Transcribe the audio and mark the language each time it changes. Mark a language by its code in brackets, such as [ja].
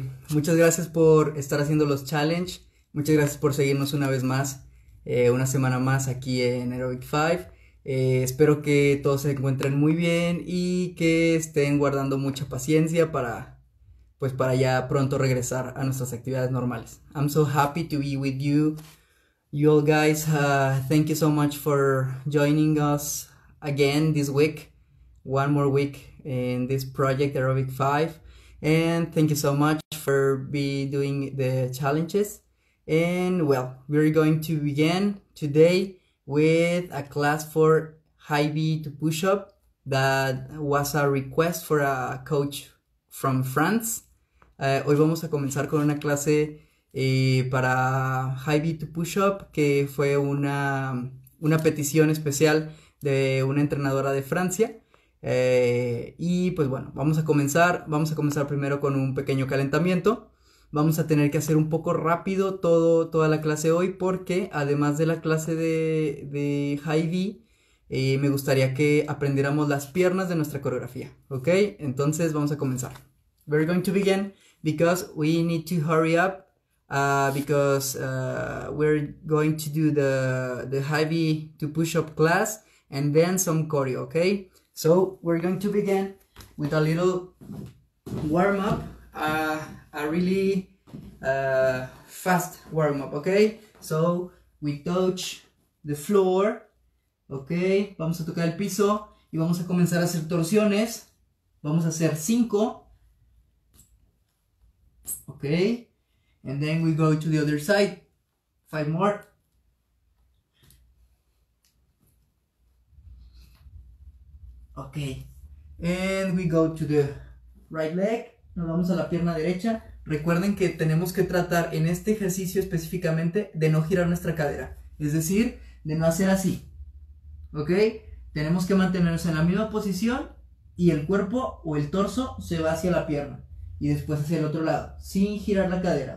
[es] Muchas gracias por estar haciendo los challenge. Muchas gracias por seguirnos una vez más. Una semana más aquí en Aerobic 5. Espero que todos se encuentren muy bien y que estén guardando mucha paciencia para ya pronto regresar a nuestras actividades normales. [en] I'm so happy to be with you. You all guys, thank you so much for joining us again this week. One more week in this project Aerobic 5. And thank you so much for be doing the challenges. And well, we're going to begin today with a class for high B to push up that was a request for a coach from France. [es] Hoy vamos a comenzar con una clase para high B to push up que fue una petición especial de una entrenadora de Francia. Y pues bueno, vamos a comenzar primero con un pequeño calentamiento. Vamos a tener que hacer un poco rápido toda la clase hoy porque además de la clase de Heidi, me gustaría que aprendiéramos las piernas de nuestra coreografía, ¿ok? Entonces vamos a comenzar. [en] We're going to begin because we need to hurry up because we're going to do the Heidi to push up class and then some choreo, ¿ok? So we're going to begin with a little warm up. A really fast warm up, okay? So we touch the floor, okay? [es] Vamos a tocar el piso y vamos a comenzar a hacer torsiones. Vamos a hacer 5, okay? [en] And then we go to the other side, 5 more. Okay, and we go to the right leg. [es] Nos vamos a la pierna derecha. Recuerden que tenemos que tratar en este ejercicio específicamente de no girar nuestra cadera, es decir, de no hacer así. ¿Ok? Tenemos que mantenernos en la misma posición y el cuerpo o el torso se va hacia la pierna y después hacia el otro lado, sin girar la cadera.